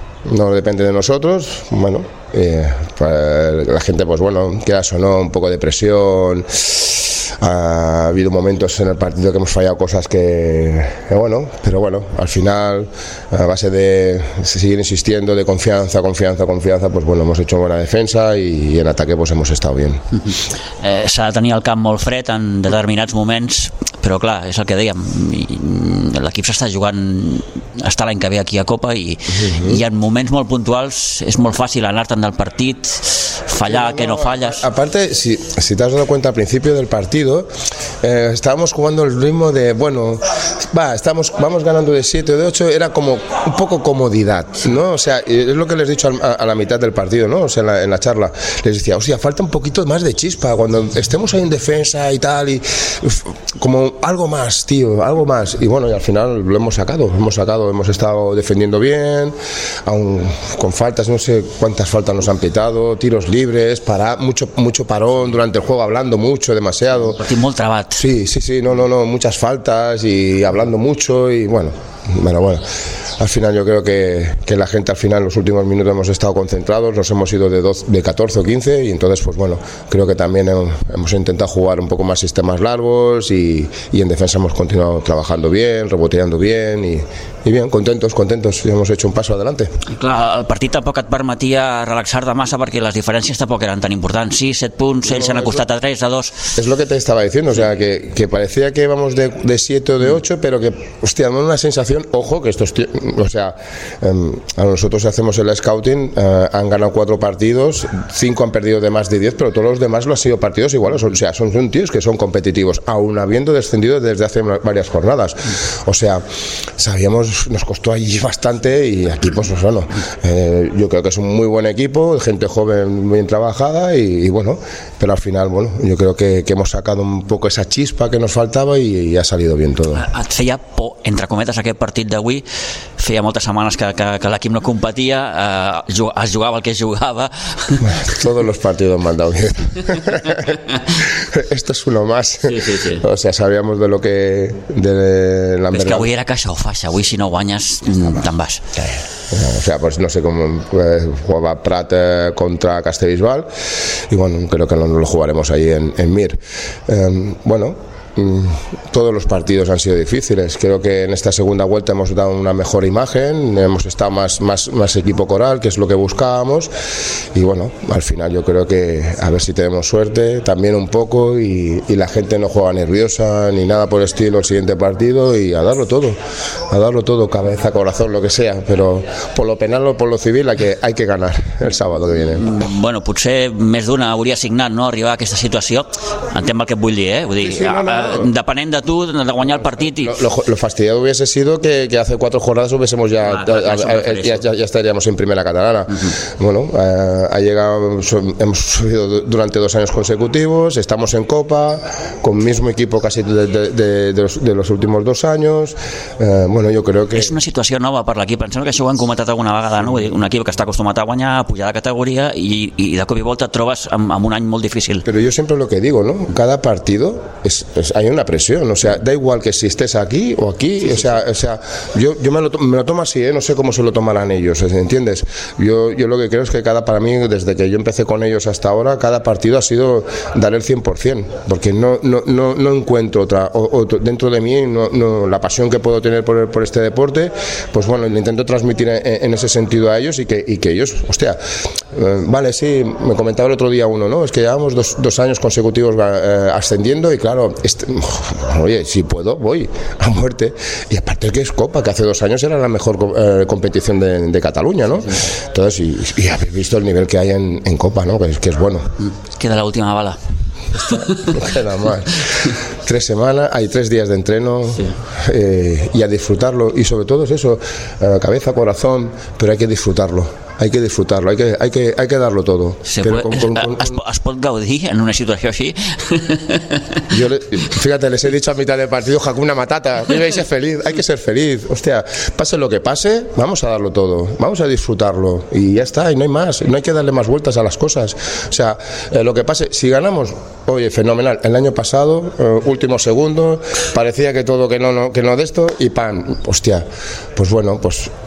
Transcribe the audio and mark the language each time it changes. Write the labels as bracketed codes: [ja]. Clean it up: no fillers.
[es] No depende de nosotros, bueno, la gente, pues bueno, quieras o no, un poco de presión. Ha habido momentos en el partido que hemos fallado cosas que bueno, pero bueno, al final, a base de seguir insistiendo, de confianza, confianza, confianza, pues bueno, hemos hecho buena defensa y en ataque pues hemos estado bien. [ca] S'ha de tenir el camp molt fred en determinats moments, però clar, és el que dèiem, l'equip s'està jugant, està l'any que ve aquí a Copa, i en moments molt puntuals és molt fàcil anar-te'n del partit, fallar, no, que no falles. [es] Aparte, si te has dado cuenta al principio del partido, estábamos jugando el ritmo de, bueno, va, estamos, vamos ganando de 7 o de 8, era como un poco comodidad, ¿no? O sea, es lo que les he dicho a la mitad del partido, ¿no? O sea, en la charla, les decía, hostia, falta un poquito más de chispa, cuando estemos ahí en defensa y tal, y como algo más, tío, algo más. Y bueno, y al final lo hemos sacado, hemos estado defendiendo bien, aún con faltas, no sé cuántas faltas nos han pitado, tiros libres, para mucho parón durante el juego, hablando mucho, demasiado. [ca] Partido molt trabat. [es] Sí, no, muchas faltas y hablando mucho y bueno, al final yo creo que la gente al final, en los últimos minutos hemos estado concentrados, nos hemos ido de 14 o 15 y entonces pues bueno, creo que también hemos intentado jugar un poco más sistemas largos y en defensa hemos continuado trabajando bien, reboteando bien y bien, contentos, y hemos hecho un paso adelante. [ca] Clar, el partit tampoc et permetia relaxar de massa perquè les diferències tampoc eren tan importants. 6, 7 punts, no, ells s'han acostat a 3, a 2. [es] És lo que te estaba diciendo, sí. O sea, que parecía que íbamos de 7 o de 8, pero que, hostia, no, una sensación, ojo, que estos tíos, o sea, a nosotros hacemos el scouting, han ganado 4 partidos, 5 han perdido de más de 10, pero todos los demás lo han sido partidos iguales, o sea, son tíos que son competitivos, aún habiendo descendido desde hace varias jornadas. O sea, sabíamos, nos costó allí bastante y aquí pues o sea, no. Yo creo que es un muy buen equipo, gente joven bien trabajada y bueno, pero al final bueno, yo creo que hemos sacado un poco esa chispa que nos faltaba y ha salido bien todo. [ca] Et feia por, entre cometes, aquest partit d'avui, feia moltes setmanes que l'equip no competia, es jugava el que jugava. [es] Todos los partidos m'han dado bien. Esto es uno más. Sí. O sea, sabíamos de lo que de la verdad. Es que [ca] avui era caixa o faixa, avui si no guanyes, te'n vas. [es] O sea, pues no sé cómo jugaba Prat contra Castellbisbal y bueno, creo que no lo jugaremos ahí en Mir. Bueno, todos los partidos han sido difíciles. Creo que en esta segunda vuelta hemos dado una mejor imagen, hemos estado más equipo coral, que es lo que buscábamos. Y bueno, al final yo creo que a ver si tenemos suerte también un poco y la gente no juega nerviosa ni nada por el estilo el siguiente partido y a darlo todo, cabeza, corazón, lo que sea. Pero por lo penal o por lo civil hay que ganar el sábado que viene. [ca] Bueno, potser més d'una hauria signat, no?, arribar a aquesta situació. Entenc el que et vull dir, eh? Vull dir, depenent de tu, de guanyar el partit i... [es] Lo fastidiado hubiese sido que hace 4 jornadas hubiésemos ya estaríamos en primera catalana. Uh-huh. Bueno, ha llegado, hemos subido durante 2 años consecutivos, estamos en Copa con mismo equipo casi de los últimos 2 años. Bueno, yo creo que... [ca] És una situació nova per l'equip, em sembla que això ho han comentat alguna vegada, no? Vull dir, un equip que està acostumat a guanyar, a pujar de categoria i de cop i volta et trobes amb un any molt difícil. Però jo sempre [es] lo que digo, no? Cada partido es... Pues hay una presión, o sea, da igual que si estés aquí o aquí, sí, o sea, yo me lo tomo así, ¿eh? No sé cómo se lo tomarán ellos, ¿entiendes? Yo lo que creo es que cada, para mí, desde que yo empecé con ellos hasta ahora, cada partido ha sido dar el 100%, porque no encuentro otra, o dentro de mí, no, la pasión que puedo tener por este deporte, pues bueno, lo intento transmitir en ese sentido a ellos y que ellos, hostia, vale, sí, me comentaba el otro día uno, ¿no? Es que llevamos 2 años consecutivos ascendiendo y claro, oye, si puedo, voy a muerte. Y aparte que es Copa, que hace 2 años era la mejor competición de Cataluña, ¿no? Entonces, y habéis visto el nivel que hay en Copa, ¿no? Que es bueno. Queda la última bala. No queda más. 3 semanas, hay 3 días de entreno, sí. Y a disfrutarlo. Y sobre todo es eso, cabeza, corazón, pero hay que disfrutarlo. Hay que disfrutarlo, hay que darlo todo. [ca] ¿Es pot gaudir en una situació així? [es] Fíjate, les he dicho a mitad de partido, Hakuna Matata, vive y sé feliz, hay que ser feliz. Hostia, pase lo que pase, vamos a darlo todo, vamos a disfrutarlo y ya está, y no hay más, no hay que darle más vueltas a las cosas. O sea, lo que pase, si ganamos, oye, fenomenal. El año pasado, último segundo, parecía que todo, que no de esto, y pam, hostia, pues bueno, pues...